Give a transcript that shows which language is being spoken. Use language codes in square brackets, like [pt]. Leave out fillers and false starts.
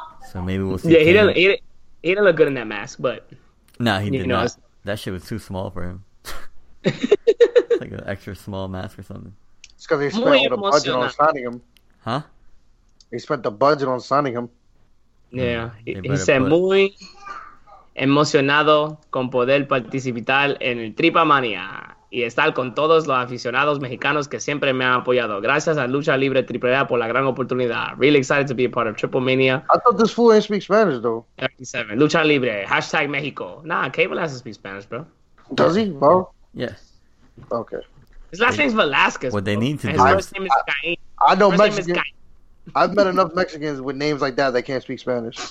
[en] So maybe we'll see. Yeah, he didn't look good in that mask, but No, he did not. That shit was too small for him. Like an extra small mask or something. It's because he spent all the budget on signing him. Huh? He spent the budget on signing him. Yeah. He said [es] muy emocionado con poder participar en el Tripa Mania y estar con todos los aficionados mexicanos que siempre me han apoyado. Gracias a Lucha Libre Triple A por la gran oportunidad. [en] Really excited to be a part of Triple Mania. I thought this fool ain't speak Spanish, though. 37. Lucha Libre. Hashtag México. Nah, Cable has to speak Spanish, bro. Does he, bro? Yes. Okay. His last name's Velasquez. What they need to His do. His first name is Cain. I know Mexican. I've met enough Mexicans with names like that can't speak Spanish.